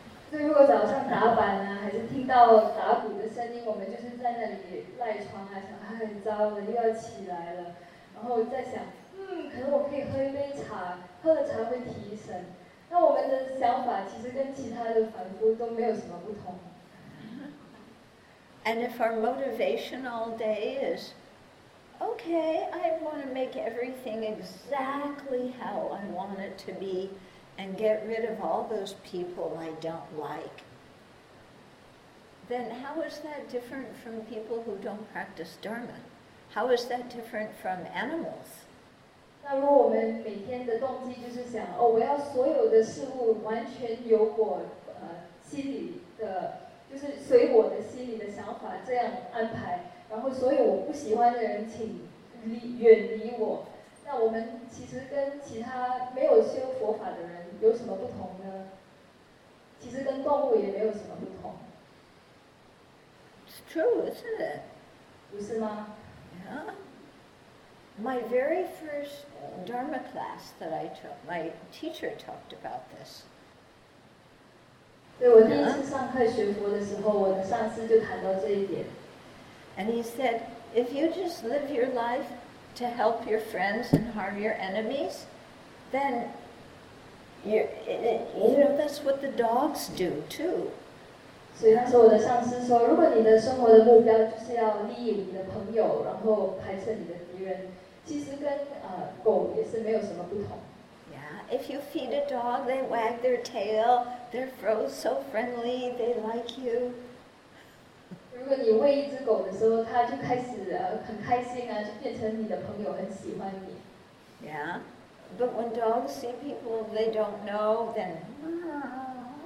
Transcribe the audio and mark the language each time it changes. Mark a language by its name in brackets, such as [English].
[Chinese] 所以如果早上打板啊，还是听到打鼓的声音，我们就是在那里赖床啊，想哎，糟了，又要起来了。然后在想，可能我可以喝一杯茶，喝了茶会提神。那我们的想法其实跟其他的凡夫都没有什么不同。 [English] And if our motivation all day is, okay, I want to make everything exactly how I want it to be and get rid of all those people I don't like, then how is that different from people who don't practice Dharma? How is that different from animals? [Chinese] 那如果我们每天的动机就是想，哦，我要所有的事物完全由我心里的就是随我的心里的想法这样安排，然后所有我不喜欢的人请远离我，那我们其实跟其他没有修佛法的人有什么不同呢？其实跟动物也没有什么不同。 [English] It's true, isn't it? [Chinese] 不是吗？ [English] Yeah. My very first Dharma class that I took, my teacher talked about this. [Chinese] 对，我第一次上课学佛的时候，我的上司就谈到这一点。 [English] And he said, if you just live your life to help your friends and harm your enemies, then you know, that's what the dogs do too. [Chinese] 所以那时候我的上司说，如果你的生活的目标就是要利益你的朋友，然后排斥你的敌人，其实跟狗也是没有什么不同。 [English] If you feed a dog, they wag their tail. They're so friendly. They like you. [Chinese] 如果你喂一只狗的时候，它就开始很开心啊，就变成你的朋友，很喜欢你。 [English] Yeah, but when dogs see people they don't know, then.